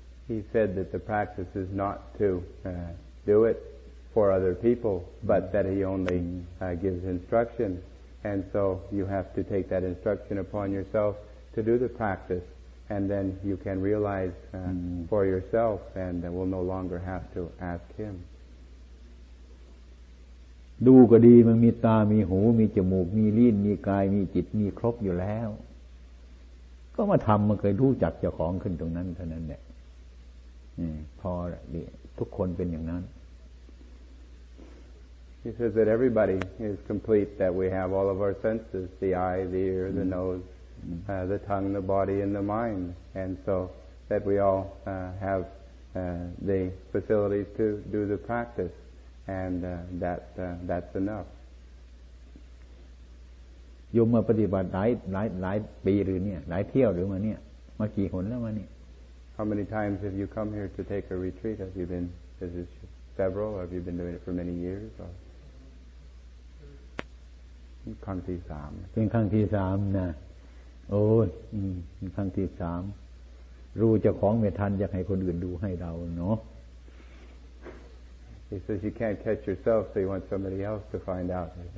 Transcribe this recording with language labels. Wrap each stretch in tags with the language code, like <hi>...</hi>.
<en>He said that the practice is not to do it for other people, but that he only gives instruction. And so you have to take that instruction upon yourself to do the practice, and then you can realize for yourself and will no longer have to ask him.</en> <th>ดูก็ดีมันมีตามีหูมีจมูกมีลิ้นมีกายมีจิตมีครบอยู่แล้วก็มาทำมันเคยรู้จักเจ้าของขึ้นตรงนั้นเท่านั้นแหละพอทุกคนเป็นอย่างนั้น</th> <en>He says that everybody is complete, that we have all of our senses, the eye, the ear, the nose, the tongue, the body, and the mind. And so that we all have the facilities to do the practice, and that's enough.</en> <th>โยมมาปฏิบัติหลายปีหรือเนี่ยหลายเที่ยวหรือมาเนี่ยมากี่หนแล้วมาเนี่ย</th> <en>How many times have you come here to take a retreat? Have you been? Is it several? Have you been doing it for many years? Or</en> <th>ครั้งที่สาม เป็นครั้งที่สามนะโอ้ยครั้งที่สามรู้เจ้าของไม่ทันอยากให้คนอื่นดูให้เราเนาะ</th> <en>He says you can't catch yourself, so you want somebody else to find out.</en>